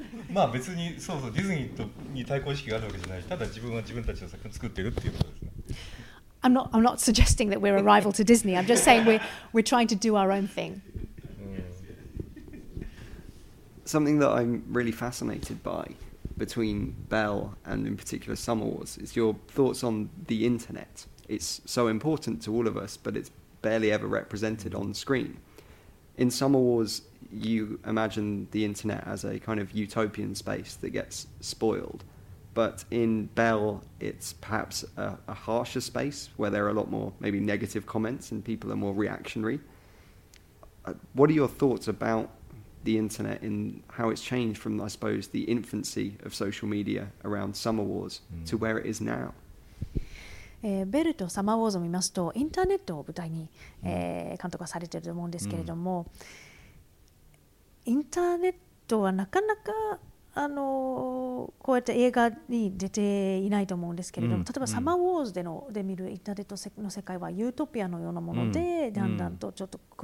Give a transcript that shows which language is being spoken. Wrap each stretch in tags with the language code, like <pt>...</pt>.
<ja>まあ別にそうそうディズニーとに対抗意識があるわけじゃないし、ただ自分は自分たちの作品を作ってるっていうことですね。</ja> <en>I'm not suggesting that we're a rival to Disney. I'm just saying we're trying to do our own thing. Something that I'm really fascinated by between Belle and in particular Summer Wars is your thoughts on the internet. It's so important to all of us, but it's barely ever represented on screen. In Summer Wars, you imagine the internet as a kind of utopian space that gets spoiled. But in Belle, it's perhaps a harsher space where there are a lot more maybe negative comments and people are more reactionary. What are your thoughts about the internet and how it's changed from, I suppose, the infancy of social media around Summer Wars to where it is now?</en> <ja>ベルとサマーウォーズを見ますと、インターネットを舞台に、監督はされていると思うんですけれども、インターネットはなかなかこうやって映画に出ていないと思うんですけれども、例えばサマーウォーズ で見るインターネットの世界はユートピアのようなもので、だんだんとちょっと</ja>